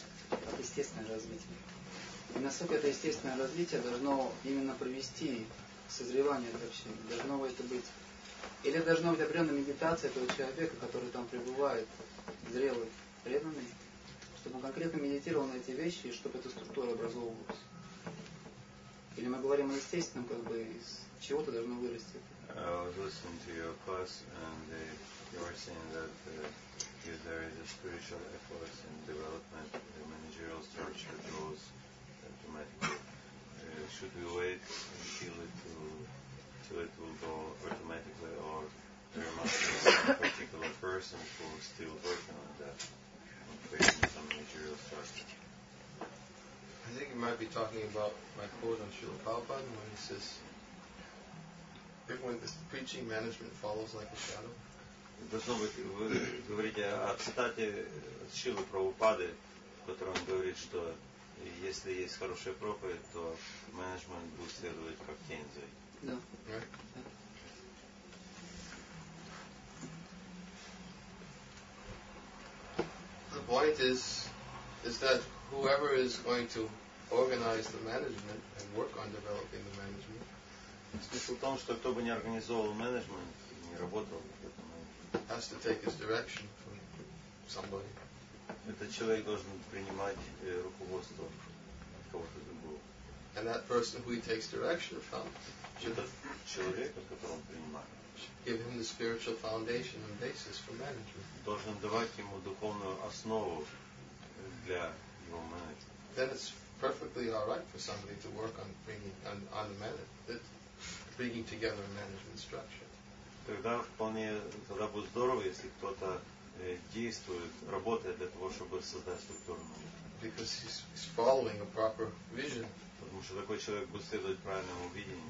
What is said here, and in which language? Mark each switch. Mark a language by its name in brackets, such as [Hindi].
[Russian] это естественное развитие. И насколько это естественное развитие должно именно привести к созреванию для общения, должно это быть. Или должна быть определенная медитация этого человека, который там пребывает, зрелый, преданный, чтобы он конкретно медитировал на эти вещи, и чтобы эта структура образовывалась. Или мы говорим о естественном, как бы из чего-то должно вырасти. [English] I was listening to your class, and you were saying that if there is a spiritual effort in development, the managerial structure grows automatically. Should we wait until it will go automatically, or there must be some particular person who is still working on that, on creating some managerial structure? I think you might be talking about my quote on Srila Prabhupada when he says, if when this preaching management follows like a shadow. [Russian] Должно быть, вы говорите о цитате Шилы Прабхупады, в котором он говорит, что если есть хорошая проповедь, то менеджмент будет следовать как тень за этим. [English] The point is that whoever is going to organize the management and work on developing the management. [Russian] Смысл в том, что кто бы ни организовал менеджмент, не работал в этом менеджменте. [English] Has to take his direction from somebody. [Russian] Этот человек должен принимать руководство от кого-то другого. [English] And that person who he takes direction from should [Russian] человек, от которого он принимает, [English] give him the spiritual foundation and basis for management. [Russian] Должен давать ему духовную основу для его менеджмента. [English] Then it's perfectly all right for somebody to work on bringing on the management. Bringing together a management structure. [Russian] Тогда вполне тогда будет здорово, если кто-то действует, работает для того, чтобы создать структуру. [English] Because he's following a proper vision. [Russian] Потому что такой человек будет следовать правильному видению.